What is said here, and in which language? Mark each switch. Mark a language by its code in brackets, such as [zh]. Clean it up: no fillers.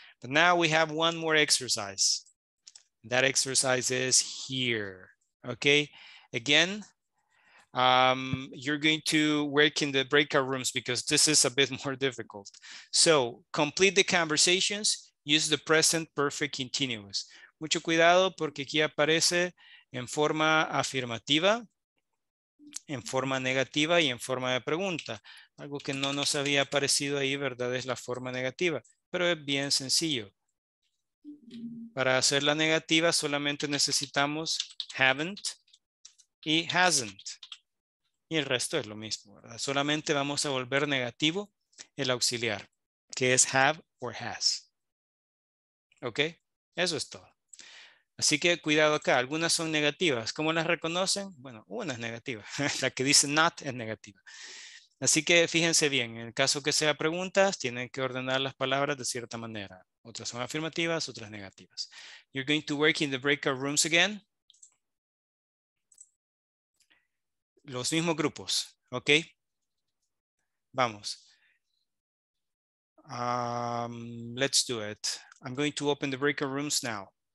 [en] But now we have one more exercise. That exercise is here, okay? Again, you're going to work in the breakout rooms because this is a bit more difficult. So complete the conversations, use the present perfect continuous. [es] Mucho cuidado porque aquí aparece en forma afirmativa, en forma negativa y en forma de pregunta. Algo que no nos había aparecido ahí, ¿verdad? Es la forma negativa, pero es bien sencillo. Para hacer la negativa solamente necesitamos haven't y hasn't. Y el resto es lo mismo, ¿verdad? Solamente vamos a volver negativo el auxiliar, que es have or has. ¿Ok? Eso es todo. Así que cuidado acá. Algunas son negativas. ¿Cómo las reconocen? Bueno, una es negativa. La que dice not es negativa. Así que fíjense bien. En el caso que sea preguntas, tienen que ordenar las palabras de cierta manera. Otras son afirmativas, otras negativas. [en] You're going to work in the breakout rooms again. [es] Los mismos grupos, ¿ok? Vamos. [en] Let's do it. I'm going to open the breakout rooms now.